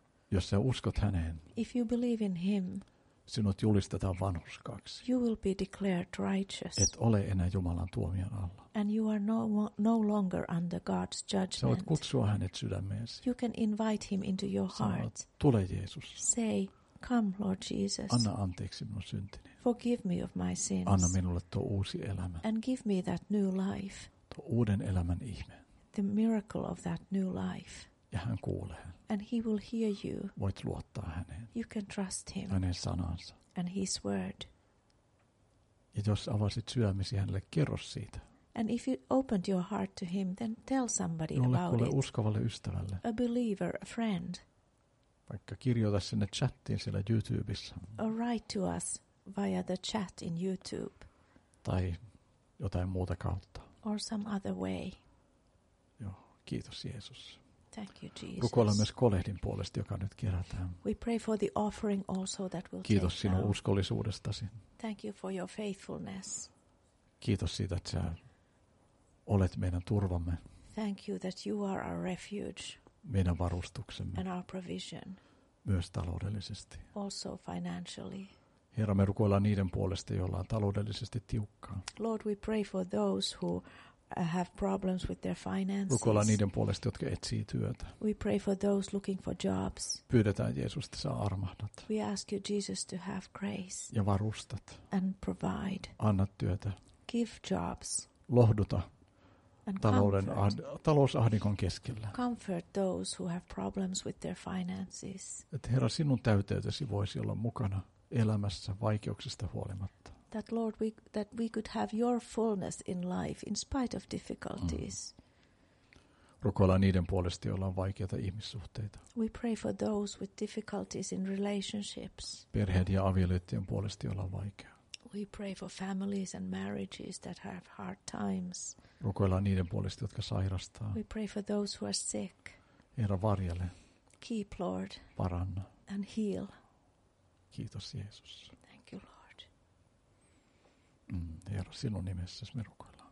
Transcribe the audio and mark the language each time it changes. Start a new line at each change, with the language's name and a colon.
Finnish: Jos sä uskot häneen.
English: If you believe in him.
Finnish: Sinut julistetaan vanhurskaaksi.
English: You will be declared righteous.
Finnish: Et ole enää Jumalan tuomion alla.
English: And you are no longer under God's judgment.
Finnish: Sä voit kutsua hänet sydämeesi.
English: You can invite him into your heart.
Finnish: Tule Jeesus.
English: Say, come Lord Jesus.
Finnish: Anna anteeksi minun syntini.
English: Forgive me of my sins.
Finnish: Anna minulle tuo uusi elämä.
English: And give me that new life.
Finnish: Tuo uuden elämän ihme.
English: The miracle of that new life.
Finnish: Ja hän kuulee.
English: And he will hear you.
Finnish: Voit luottaa häneen.
English: You can trust him.
Finnish: Hänen sanansa.
English: And his word.
Finnish: Ja jos avasit syömisi hänelle, kerro siitä.
English: And if you opened your heart to him, then tell somebody
Finnish: jolle
English: about it.
Finnish: Jollekulle uskovalle ystävälle.
English: A believer, a friend.
Finnish: Vaikka kirjoita sinne chattiin siellä YouTubessa.
English: Or write to us via the chat in YouTube.
Finnish: Tai jotain muuta kautta.
English: Or some other way.
Finnish: Joo, kiitos Jeesus.
English: Thank you, Jesus.
Finnish: Rukoillaan myös kolehdin puolesta, joka nyt kerätään.
English: We pray for the offering also that will
Finnish: Kiitos sinun uskollisuudestasi.
English: Thank you for your faithfulness.
Finnish: Kiitos siitä, että sinä olet meidän turvamme.
English: Thank you that you are our refuge.
Finnish: Meidän varustuksemme.
English: And our provision.
Finnish: Myös taloudellisesti.
English: Also financially.
Finnish: Herra, me rukoillaan niiden puolesta, joilla on taloudellisesti tiukkaa.
English: Lord, we pray for those who have problems with their finances.
Finnish: Rukoillaan niiden puolesta, jotka etsii työtä.
English: We pray for those looking for jobs.
Finnish: Pyydetään Jeesus, että saa armahdat.
English: We ask you, Jesus, to have grace.
Finnish: Ja varustat.
English: And provide.
Finnish: Anna työtä.
English: Give jobs.
Finnish: Lohduta. Talouden talousahdinkon keskellä.
English: Comfort those who have problems with their finances.
Finnish: Että Herra, sinun täyteytesi voisi olla mukana elämässä vaikeuksista huolimatta.
English: That Lord, we could have your fullness in life in spite of difficulties.
Finnish: Rukoillaan niiden puolesta, joilla on vaikeita ihmissuhteita.
English: We pray for those with difficulties in relationships.
Finnish: Perheiden ja avioliittojen puolesta, joilla on vaikeaa.
English: We pray for families and marriages that have hard times.
Finnish: Rukoillaan niiden puolesta, jotka sairastaa.
English: We pray for those who are sick.
Finnish: Herra, varjele.
English: Keep, Lord.
Finnish: Paranna.
English: And heal.
Finnish: Kiitos, Jeesus.
English: Thank you, Lord.
Finnish: Herra, sinun nimessäsi me rukoillaan.